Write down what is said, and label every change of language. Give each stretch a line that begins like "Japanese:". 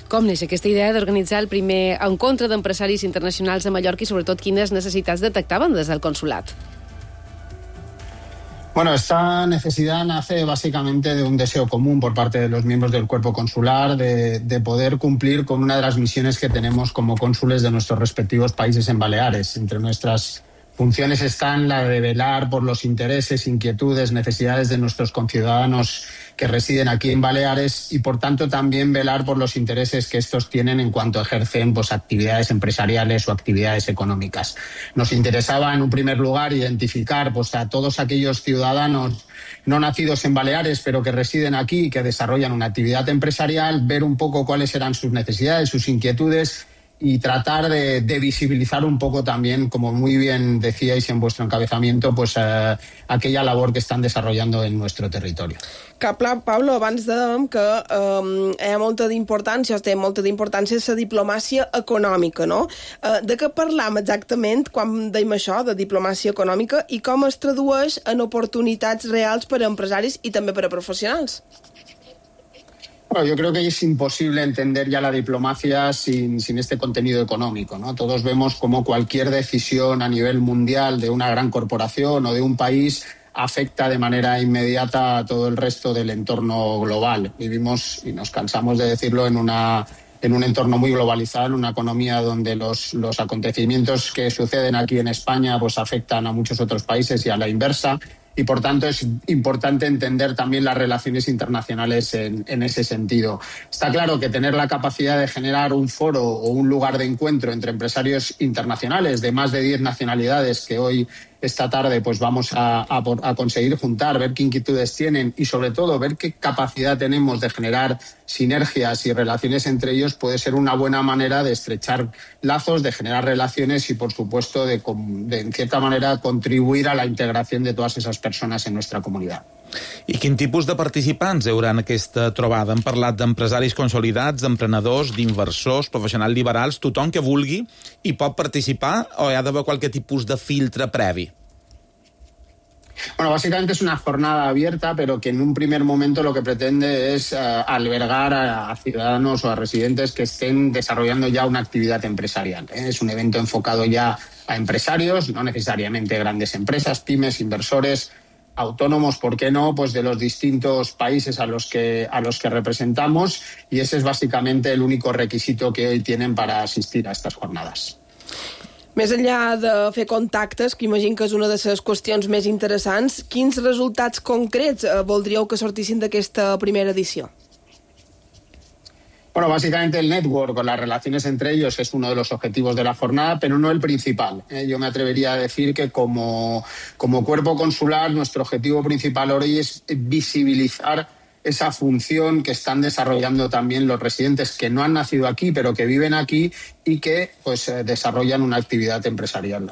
Catalan: Com neix aquesta idea d'organitzar el primer encontre d'empresaris internacionals a Mallorca i, sobretot, quines necessitats detectaven des del consulat?
Spanish: Bueno, esta necesidad nace básicamente de un deseo común por parte de los miembros del cuerpo consular de poder cumplir con una de las misiones que tenemos como cónsules de nuestros respectivos países en Baleares. Entre nuestras funciones están la de velar por los intereses, inquietudes, necesidades de nuestros conciudadanos que residen aquí en Baleares y, por tanto, también velar por los intereses que estos tienen en cuanto ejercen pues, actividades empresariales o actividades económicas. Nos interesaba, en un primer lugar, identificar pues, a todos aquellos ciudadanos no nacidos en Baleares, pero que residen aquí y que desarrollan una actividad empresarial, ver un poco cuáles eran sus necesidades, sus inquietudes, y tratar de visibilizar un poco también, como muy bien decíais en vuestro encabezamiento, pues aquella labor que están desarrollando en nuestro territorio.
Catalan: Clar, Pablo, abans dèiem que hi ha molta d'importància, té molta d'importància la diplomàcia econòmica, no? De què parlam exactament quan dèiem això, de diplomàcia econòmica, i com es tradueix en oportunitats reals per a empresaris i també per a professionals?
Spanish: Bueno, yo creo que es imposible entender ya la diplomacia sin este contenido económico, ¿no? Todos vemos cómo cualquier decisión a nivel mundial de una gran corporación o de un país afecta de manera inmediata a todo el resto del entorno global. Vivimos, y nos cansamos de decirlo, en un entorno muy globalizado, en una economía donde los acontecimientos que suceden aquí en España pues afectan a muchos otros países y a la inversa. Y por tanto es importante entender también las relaciones internacionales en ese sentido. Está claro que tener la capacidad de generar un foro o un lugar de encuentro entre empresarios internacionales de más de 10 nacionalidades que hoy, esta tarde, pues vamos a conseguir juntar, ver qué inquietudes tienen y sobre todo ver qué capacidad tenemos de generar sinergias y relaciones entre ellos puede ser una buena manera de estrechar lazos, de generar relaciones y, por supuesto, de en cierta manera contribuir a la integración de todas esas personas en nuestra comunidad.
Catalan: I quin tipus de participants hi haurà en aquesta trobada? Hem parlat d'empresaris consolidats, d'emprenedors, d'inversors, professionals liberals, tothom que vulgui i pot participar, o hi ha d'haver qualsevol tipus de filtre previ?
Spanish: Bueno, básicamente es una jornada abierta, pero que en un primer momento lo que pretende es albergar a ciudadanos o a residentes que estén desarrollando ya una actividad empresarial, ¿eh? Es un evento enfocado ya a empresarios, no necesariamente grandes empresas, pymes, inversores, autónomos, ¿por qué no? Pues de los distintos países a los que representamos, y ese es básicamente el único requisito que hoy tienen para asistir a estas jornadas.
Catalan: Més enllà de fer contactes, que imagino que és una de les qüestions més interessants, quins resultats concrets voldríeu que sortissin d'aquesta primera edició?
Spanish: Bueno, básicamente el network o las relaciones entre ellos es uno de los objetivos de la jornada, pero no el principal. Yo me atrevería a decir que como cuerpo consular, nuestro objetivo principal hoy es visibilizar esa función que están desarrollando también los residentes que no han nacido aquí, pero que viven aquí y que pues desarrollan una actividad empresarial.